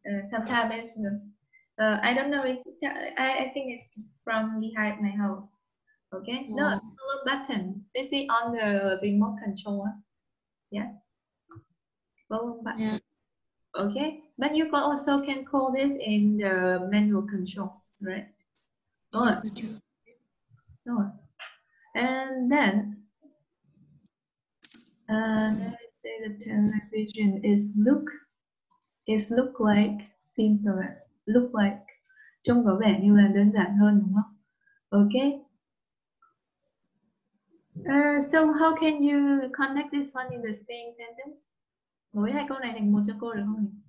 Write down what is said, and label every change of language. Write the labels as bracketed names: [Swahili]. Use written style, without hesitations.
[English] Sometimes I don't know, I think it's from behind my house. Okay, yeah. No, follow button. This is on the remote control. Yeah, follow button. Yeah. Okay, but you also can call this in the manual controls, right? No. And then, the television is look like simpler, [Vietnamese] trông có vẻ như là đơn giản hơn, đúng không? Okay. [English] So how can you connect this one in the same sentence? [Vietnamese] Nối hai câu này thành một cho cô được không?